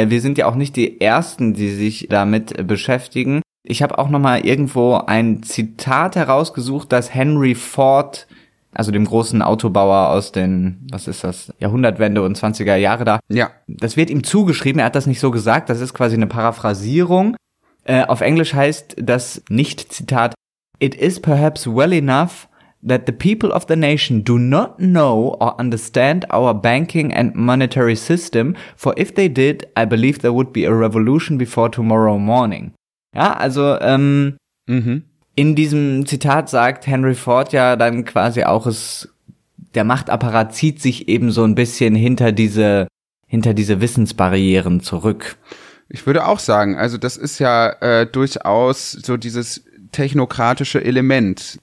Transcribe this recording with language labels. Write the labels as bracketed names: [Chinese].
[German] Wir sind ja auch nicht die Ersten, die sich damit beschäftigen. Ich habe auch nochmal irgendwo ein Zitat herausgesucht, das Henry Ford, also dem großen Autobauer aus den, was ist das, Jahrhundertwende und 20er Jahre da. Ja. Das wird ihm zugeschrieben, er hat das nicht so gesagt. Das ist quasi eine Paraphrasierung. Auf Englisch heißt das Nicht-Zitat: [English] It is perhaps well enough that the people of the nation do not know or understand our banking and monetary system, for if they did, I believe there would be a revolution before tomorrow morning. [German] Ja, also in diesem Zitat sagt Henry Ford ja dann quasi auch, der Machtapparat zieht sich eben so ein bisschen hinter diese Wissensbarrieren zurück. Ich würde auch sagen, also das ist ja durchaus so dieses technokratische Element.